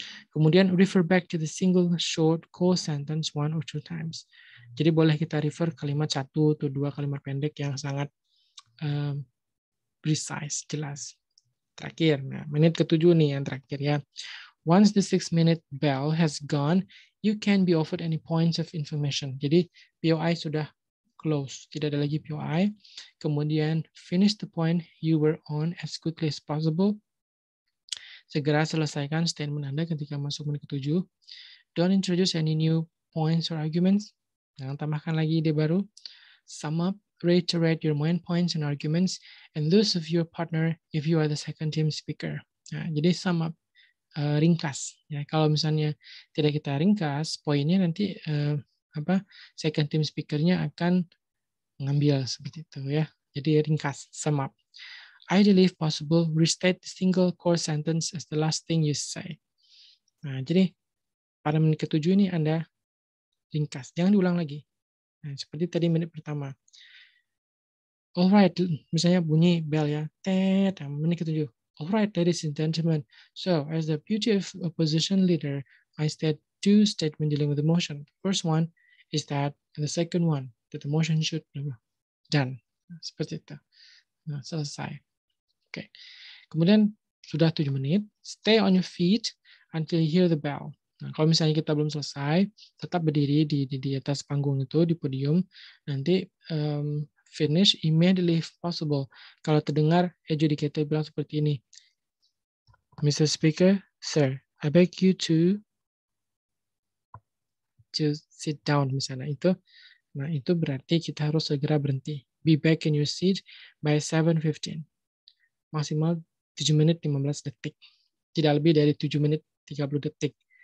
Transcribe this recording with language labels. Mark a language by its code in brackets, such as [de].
[en] Kemudian refer back to the single short core sentence 1 or 2 times. [id] Jadi boleh kita refer kalimat 1 atau 2 kalimat pendek yang sangat precise, jelas. Terakhir, nah, menit ke-7 nih yang terakhir ya. [en] Once the 6-minute bell has gone, you can be offered any points of information. [id] Jadi POI sudah close, tidak ada lagi POI. [en] Kemudian finish the point you were on as quickly as possible. [id] Segera selesaikan statement Anda ketika masuk menit ke-7. [en] Don't introduce any new points or arguments. [id] Jangan tambahkan lagi ide baru. [en] Sum up, reiterate your main points and arguments, and those of your partner if you are the second team speaker. [id] Nah, jadi [en] sum up, [id] ringkas. Ya, kalau misalnya tidak kita ringkas, poinnya nanti second team speakernya akan ngambil seperti itu ya. Jadi ringkas, [en] sum up. Ideally, if possible, restate the single core sentence as the last thing you say. [id] Nah, jadi pada menit ke-7 ini Anda ringkas, jangan diulang lagi. Nah, seperti tadi menit pertama. Alright, misalnya bunyi bell ya, tet, menit ke-7. [en] Alright, ladies and gentlemen. So, as the beauty of opposition leader, I state 2 statements dealing with the motion. First one is that, and the second one that the motion should be done. [id] Seperti itu. Nah, selesai. Okay. Kemudian sudah 7 menit. [en] Stay on your feet until you hear the bell. [id] Nah, kalau misalnya kita belum selesai, tetap berdiri di atas panggung itu, di podium. [en] Nanti finish immediately if possible. [id] Kalau terdengar adjudicator bilang seperti ini, Mr. [en] Speaker, Sir, I beg you to sit down. [id] Misalnya itu, nah itu berarti kita harus segera berhenti. [en] Be back in your seat by 7:15. [id] Maksimal 7 menit 15 detik. Tidak lebih dari 7 menit 30 detik.